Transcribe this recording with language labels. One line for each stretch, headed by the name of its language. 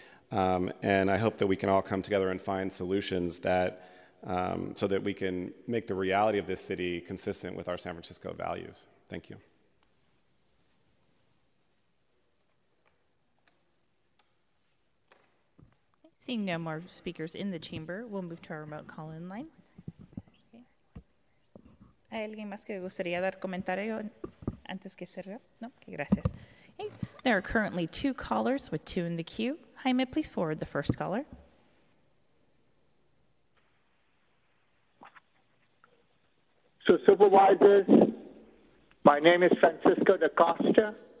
English: And I hope that we can all come together and find solutions that so that we can make the reality of this city consistent with our San Francisco values. Thank you. Seeing no more speakers in the chamber, we'll move to our remote call-in line.
Spanish: ¿Hay alguien más que gustaría dar comentario antes que cerrar? No, gracias.
English: There are currently two callers with two in the queue. Jaime, please forward the first caller. So, supervisors, my name is Francisco Da Costa.